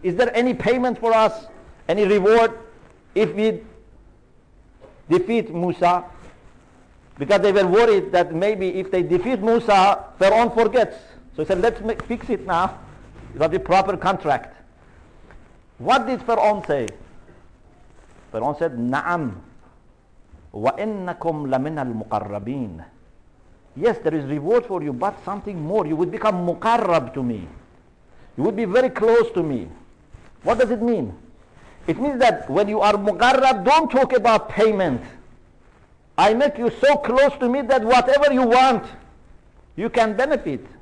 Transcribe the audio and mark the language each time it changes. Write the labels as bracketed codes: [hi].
[en] Is there any payment for us, any reward, if we defeat Musa? Because they were worried that maybe if they defeat Musa, Fir'aun forgets. So he said, let's fix it now. It's not a proper contract. What did Fir'aun say? Fir'aun said, [ar] نَعَمْ وَإِنَّكُمْ لَمِنَ الْمُقَرَّبِينَ. [en] Yes, there is reward for you, but something more. You would become muqarrab to me. You would be very close to me. What does it mean? It means that when you are muqarrab, don't talk about payment. I make you so close to me that whatever you want, you can benefit.